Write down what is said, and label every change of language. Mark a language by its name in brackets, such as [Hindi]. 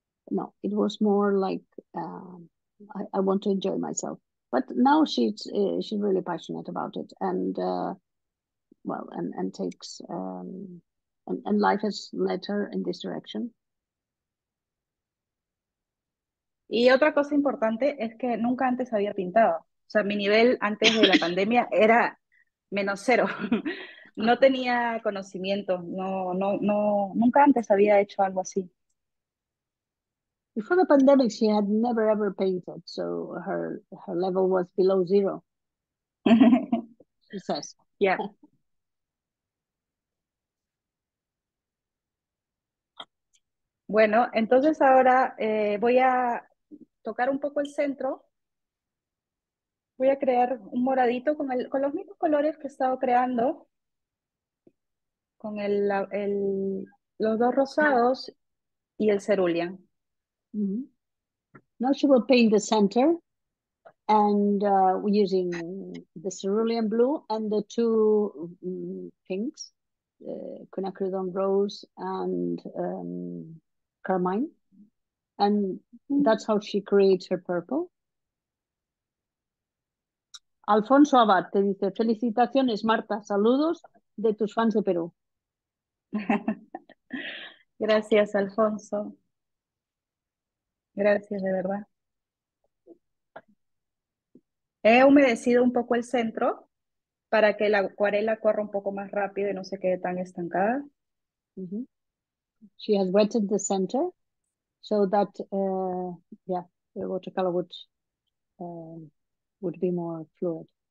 [English] No, it was more like, I want to enjoy myself. But now she's really passionate about it. And life has led her in this direction. [Spanish] Y otra cosa importante es que nunca antes había pintado. O sea, mi nivel antes de la pandemia era menos cero. No tenía conocimiento. No, nunca antes había hecho algo así. [English] Before the pandemic, she had never ever painted. So her level was below zero. She says. Yeah. [Spanish] Bueno, entonces ahora voy a tocar un poco el centro. Voy a crear un moradito con los mismos colores que he estado creando, con los dos rosados y el cerulean. Mm-hmm. [English] Now she will paint the center, and we're using the cerulean blue and the two pinks, quinacridone rose and carmine. And that's how she creates her purple. [Spanish] Alfonso Abad te dice, felicitaciones, Marta. Saludos de tus fans de Perú. Gracias, Alfonso. Gracias, de verdad. He humedecido un poco el centro para que la acuarela corra un poco más rápido y no se quede tan estancada. [English] Mm-hmm. She has wetted the center. So that, the watercolor would be more fluid.